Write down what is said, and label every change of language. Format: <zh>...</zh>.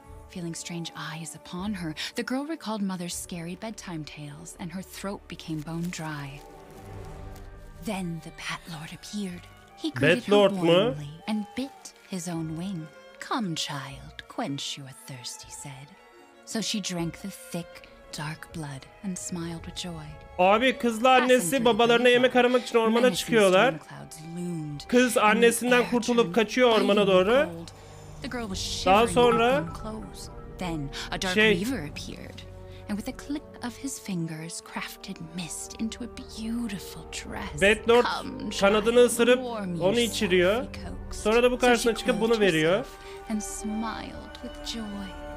<en>Feeling strange eyes upon her, the girl recalled mother's scary bedtime tales and her throat became bone dry. Then the pet lord appeared. He greeted her warmly and bit his own wing. Come, child, quench your thirst, he said. So she drank the thick, dark blood and smiled with joy.</en> <tr>Abi, kızla annesi babalarına yemek aramak için ormana çıkıyorlar. Kız annesinden kurtulup kaçıyor ormana doğru. Daha sonra</tr> <en>then a dark weaver appeared and with a click of his fingers crafted mist into a beautiful dress.</en> <tr>Bedlord kanadını ısırıp onu içiriyor. Sonra da bu karşısına çıkıp bunu veriyor.</tr> <en>And smiled with joy.</en>